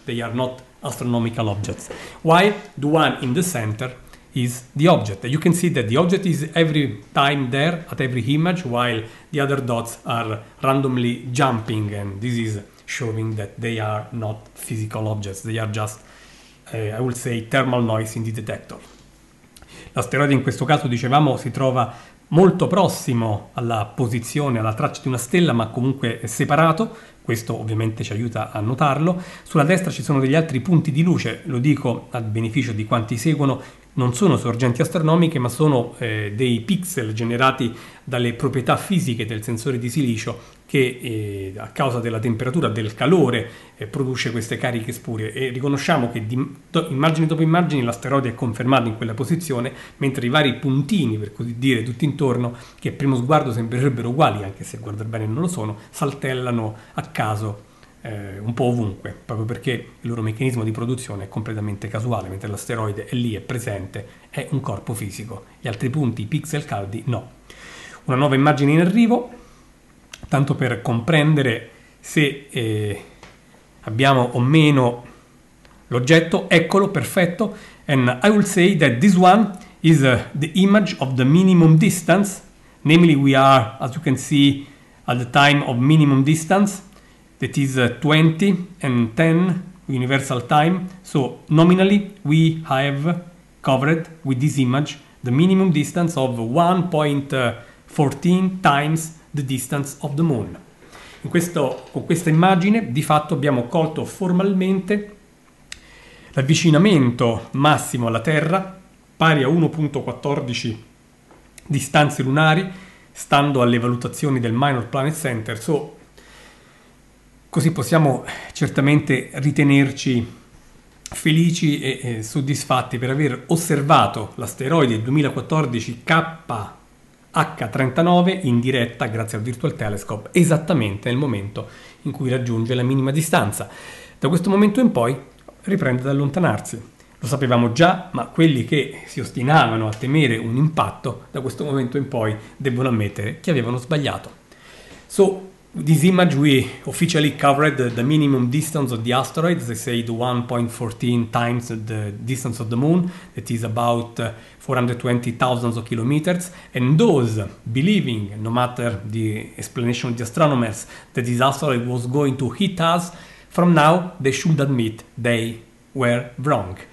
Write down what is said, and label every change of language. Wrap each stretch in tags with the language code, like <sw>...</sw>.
<en>They are not astronomical objects. While the one in the center is the object. You can see that the object is every time there at every image, while the other dots are randomly jumping, and this is showing that they are not physical objects. They are just, I would say, thermal noise in the detector.</en> <it>L'asteroide in questo caso, dicevamo, si trova molto prossimo alla posizione, alla traccia di una stella, ma comunque è separato. Questo ovviamente ci aiuta a notarlo. Sulla destra ci sono degli altri punti di luce, lo dico a beneficio di quanti seguono, non sono sorgenti astronomiche, ma sono dei pixel generati dalle proprietà fisiche del sensore di silicio che a causa della temperatura, del calore, produce queste cariche spurie. E riconosciamo che immagine dopo immagine l'asteroide è confermato in quella posizione, mentre i vari puntini, per così dire, tutti intorno, che a primo sguardo sembrerebbero uguali, anche se a guardare bene non lo sono, saltellano a caso un po' ovunque, proprio perché il loro meccanismo di produzione è completamente casuale, mentre l'asteroide è lì, è presente, è un corpo fisico. Gli altri punti, i pixel caldi, no. Una nuova immagine in arrivo, tanto per comprendere se abbiamo o meno l'oggetto. Eccolo, perfetto.</it> <en>And I will say that this one is the image of the minimum distance. Namely, we are, as you can see, at the time of minimum distance. That is 20 and 10 universal time. So nominally we have covered with this image the minimum distance of 1.14 times the distance of the moon.</en> <it>Con questa immagine di fatto abbiamo colto formalmente l'avvicinamento massimo alla Terra, pari a 1.14 distanze lunari, stando alle valutazioni del Minor Planet Center. So così possiamo certamente ritenerci felici e soddisfatti per aver osservato l'asteroide 2014 KH39 in diretta grazie al Virtual Telescope esattamente nel momento in cui raggiunge la minima distanza. Da questo momento in poi riprende ad allontanarsi. Lo sapevamo già, ma quelli che si ostinavano a temere un impatto da questo momento in poi devono ammettere che avevano sbagliato.</it> <en>So, this image we officially covered the minimum distance of the asteroid, as I said, 1.14 times the distance of the moon, that is about 420,000 of kilometers. And those believing, no matter the explanation of the astronomers, that this asteroid was going to hit us, from now they should admit they were wrong.</en>